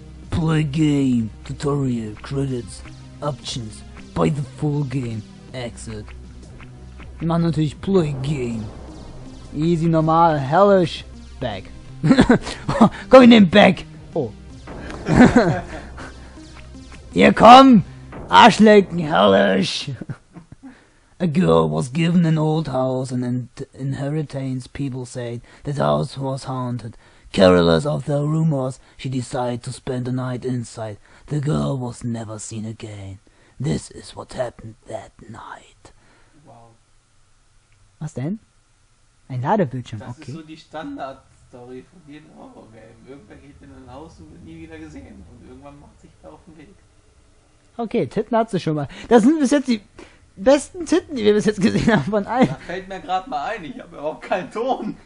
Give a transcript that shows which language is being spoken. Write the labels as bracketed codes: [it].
[en] Play game, tutorial, credits, options, buy the full game, exit. [de] Wir machen natürlich play game. [en] Easy, normal, hellish, back. [de] Komm in den Back! Oh. Hier komm! Arschlecken, hellish! [en] A girl was given an old house and inheritance. People said that the house was haunted. Careless of the rumors, she decided to spend the night inside. The girl was never seen again. This is what happened that night. Wow. [de] Was denn? Ein Ladebildschirm, das okay. Das ist so die Standard-Story von jedem Horror-Game. Irgendwer geht in ein Haus und wird nie wieder gesehen. Und irgendwann macht sich da auf den Weg. Okay, Titten hat sie schon mal. Das sind bis jetzt die besten Titten, die wir bis jetzt gesehen haben von allen. Da fällt mir gerade mal ein, ich habe überhaupt keinen Ton.